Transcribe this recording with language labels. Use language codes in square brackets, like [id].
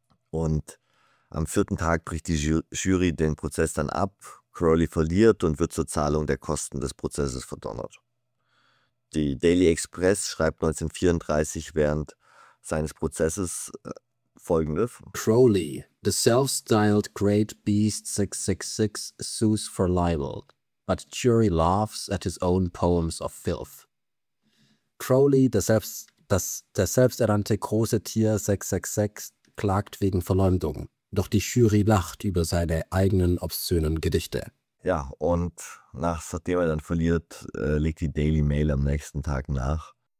[de] Und am vierten Tag bricht die Jury den Prozess dann ab. Crowley verliert und wird zur Zahlung der Kosten des Prozesses verdonnert. Die Daily Express schreibt 1934 während seines Prozesses folgendes: [en] Crowley, the self-styled great beast 666, sues for libel, but jury laughs at his own poems of filth. [de] Crowley, der selbsternannte große Tier 666, klagt wegen Verleumdung. Doch die Jury lacht über seine eigenen obszönen Gedichte. Ja, und nachdem er dann verliert, legt die Daily Mail am nächsten Tag nach.